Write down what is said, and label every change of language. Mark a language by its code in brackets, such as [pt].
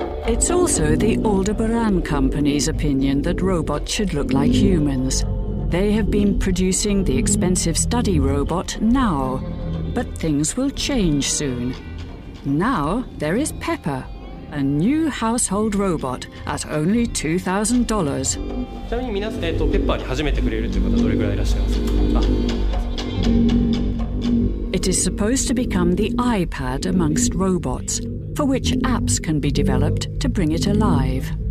[en] It's also the Aldebaran company's opinion that robots should look like humans. They have been producing the expensive study robot now, but things will change soon. Now there is Pepper, a new household robot at only $2,000. [ja] ちなみに皆さん、Pepper に初めて触れるという方はどれくらいいらっしゃいますか？ [en] It is supposed to become the iPad amongst robots, for which apps can be developed to bring it alive.